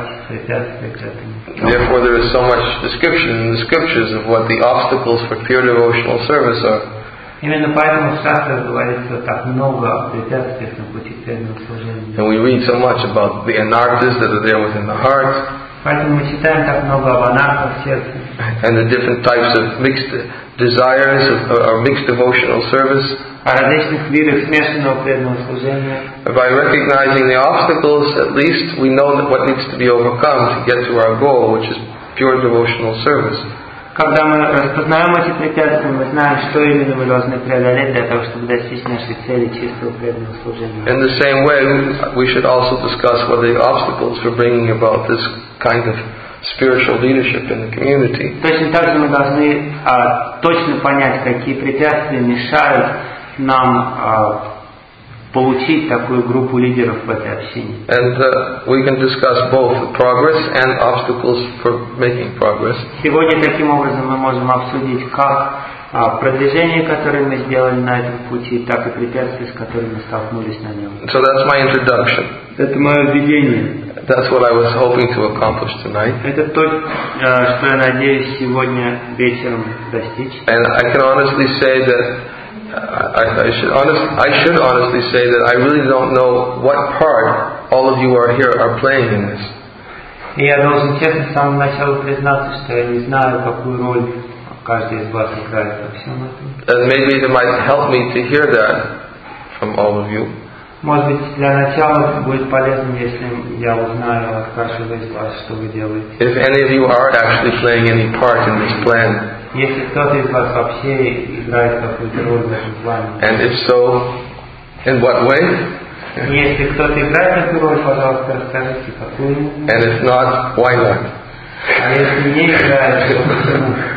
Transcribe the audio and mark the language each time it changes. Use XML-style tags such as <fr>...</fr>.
<en>Therefore, there is so much description in the scriptures of what the obstacles for pure devotional service are.</en> <ru>Именно поэтому в шастрах говорится так много о препятствиях на пути преданного служения.</ru> <en>And we read so much about the anarthas that are there within the heart.</en> <ru>Поэтому мы читаем так много об анархах в сердце.</ru> <en>And the different types of mixed desires of mixed devotional service.</en> <ru>О различных видах смешанного преданного служения.</ru> <en>By recognizing the obstacles, at least we know that what needs to be overcome to get to our goal, which is pure devotional service.</en> <ru>Когда мы распознаем эти препятствия, мы знаем, что именно мы должны преодолеть для того, чтобы достичь нашей цели чистого преданного служения.</ru> <en>In the same way, we should also discuss what the obstacles for bringing about this kind of spiritual leadership in the community.</en> <ru>Точно так же мы должны точно понять, какие препятствия мешают нам получить такую группу лидеров в этой общине.</ru> <en>And we can discuss both progress and obstacles for making progress.</en> <ru>Сегодня таким образом мы можем обсудить как продвижение, которое мы сделали на этом пути, так и препятствия, с которыми мы столкнулись на нем.</ru> <en>So that's my introduction.</en> <ru>Это мое введение.</ru> <en>That's what I was hoping to accomplish tonight.</en> <ru>Это то, что я надеюсь сегодня вечером достичь.</ru> <en>And I can honestly say that I should honestly say that I really don't know what part all of you are here are playing in this.</en> <ru>Я должен честно с самого начала признаться, что я не знаю, какую роль каждый из вас играет во всем этом.</ru> <en>And maybe it might help me to hear that from all of you.</en> <ru>Может быть, для начала будет полезным, если я узнаю от каждого из вас, что вы делаете.</ru> <en>If any of you are actually playing any part in this plan.</en> <ru>Если кто-то из вас вообще играет какую-то роль в этом плане.</ru> <en>And if so, in what way?</en> <ru>Если кто-то играет такую роль, пожалуйста, расскажите, какую.</ru> <en>And if not, why not?</en> <ru>А если не играет, то почему?</ru>